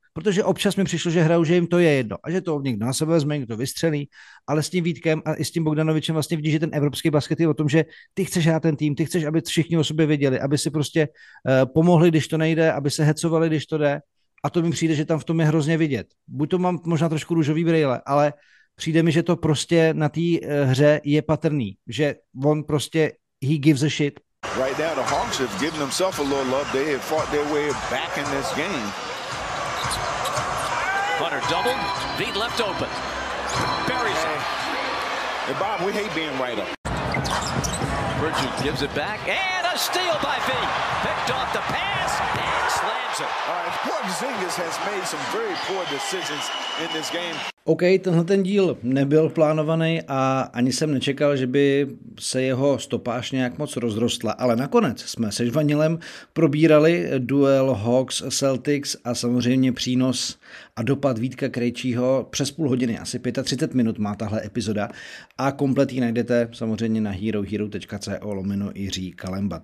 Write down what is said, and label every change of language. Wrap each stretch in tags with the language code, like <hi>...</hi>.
<cs>Protože občas mi přišlo, že hrajou, že jim to je jedno a že to někdo na sebe vezme, někdo vystřelí, ale s tím Vítkem a i s tím Bogdanovičem vlastně vidí, že ten evropský basket je o tom, že ty chceš hrát ten tým, ty chceš, aby všichni o sobě věděli, aby si prostě pomohli, když to nejde, aby se hecovali, když to jde a to mi přijde, že tam v tom je hrozně vidět. Buď to mám možná trošku růžový brýle, ale přijde mi, že to prostě na té hře je patrný, že on prostě</cs> <en>he gives a shit. Right now the Hawks have given themselves a little love. They have fought their way back in this game. Hunter doubled, beat left open. Buries it. And Bob, we hate being right up. Bridget gives it back, and a steal by V. Picked off the pass, and slams it. All right, Porzingis has made some very poor decisions in this game.</en> <cs>OK, tenhle ten díl nebyl plánovaný a ani jsem nečekal, že by se jeho stopáž nějak moc rozrostla, ale nakonec jsme se Žvanilem probírali duel Hawks-Celtics a samozřejmě přínos a dopad Vítka Krejčího přes půl hodiny, asi 35 minut má tahle epizoda a komplet ji najdete samozřejmě na herohero.co/Jiří Kalemba.</cs>